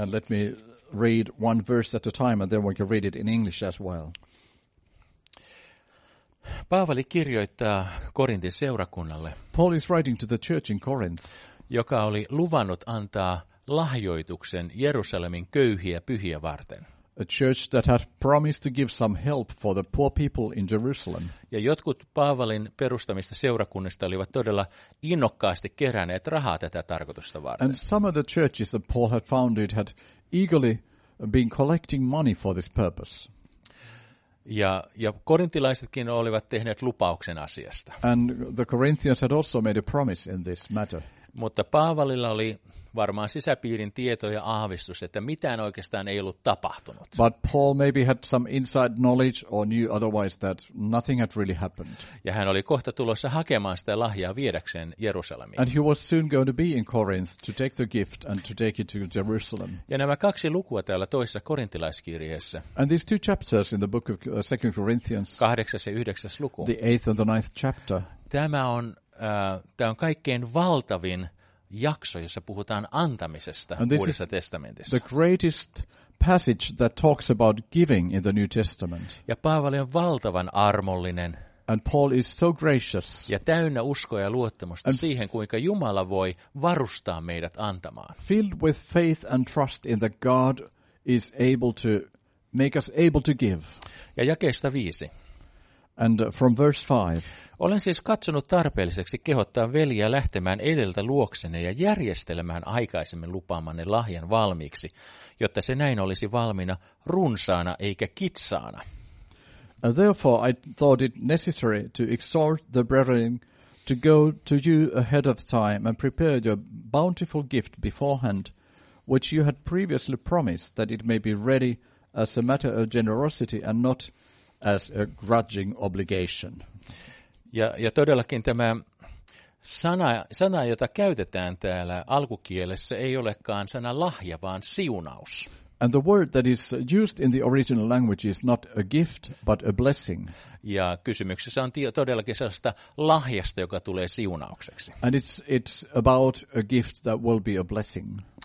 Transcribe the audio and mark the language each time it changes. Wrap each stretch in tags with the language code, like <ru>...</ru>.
<en>And let me read one verse at a time and then we can read it in English as well.</en> <fi>Paavali kirjoittaa Korintin seurakunnalle.</fi> <en>Paul is writing to the church in Corinth,</en> <fi>joka oli luvannut antaa lahjoituksen Jerusalemin köyhiä pyhiä varten.</fi> <en>A church that had promised to give some help for the poor people in Jerusalem.</en> <fi>Ja jotkut Paavalin perustamista seurakunnista olivat todella innokkaasti keränneet rahaa tätä tarkoitusta varten.</fi> <en>And some of the churches that Paul had founded had eagerly been collecting money for this purpose.</en> <fi>Ja korintilaisetkin olivat tehneet lupauksen asiasta.</fi> <en>And the Corinthians had also made a promise in this matter.</en> <fi>Mutta Paavalilla oli varmaan sisäpiirin tieto ja aavistus, että mitään oikeastaan ei ollut tapahtunut.</fi> <en>But Paul maybe had some inside knowledge or knew otherwise that nothing had really happened.</en> <fi>Ja hän oli kohta tulossa hakemaan sitä lahjaa viedäkseen Jerusalemiin.</fi> <en>And he was soon going to be in Corinth to take the gift and to take it to Jerusalem.</en> <fi>Ja nämä kaksi lukua täällä toisessa korintilaiskirjeessä.</fi> <en>And these two chapters in the book of 2 Corinthians.</en> <fi>8. ja 9. luku.</fi> <en>The 8th and the 9th chapter.</en> <fi>Tämä on kaikkein valtavin jakso, jossa puhutaan antamisesta Uudessa testamentissa.</fi> <en>The greatest passage that talks about giving in the New Testament.</en> <fi>Ja Paavali on valtavan armollinen.</fi> <en>And Paul is so gracious.</en> <fi>Ja täynnä uskoa ja luottamusta and siihen, kuinka Jumala voi varustaa meidät antamaan.</fi> <en>Filled with faith and trust in that God is able to make us able to give.</en> <fi>Ja jakeesta 5.</fi> <en>And from verse 5.</en> <fi>Olen siis katsonut tarpeelliseksi kehottaa veljiä lähtemään edeltä luoksenne ja järjestelemään aikaisemmin lupaamanne lahjan valmiiksi, jotta se näin olisi valmiina runsaana eikä kitsaana.</fi> <en>Therefore I thought it necessary to exhort the brethren to go to you ahead of time and prepare your bountiful gift beforehand, which you had previously promised, that it may be ready as a matter of generosity and not as a grudging obligation.</en> <fi>Ja todellakin tämä sana, jota käytetään täällä alkukielessä, ei olekaan sana lahja, vaan siunaus.</fi> <en>And the word that is used in the original language is not a gift, but a blessing.</en> <fi>Ja kysymyksessä on todellakin sellaista lahjasta, joka tulee siunaukseksi.</fi> <en>And it's about a gift that will be a blessing.</en>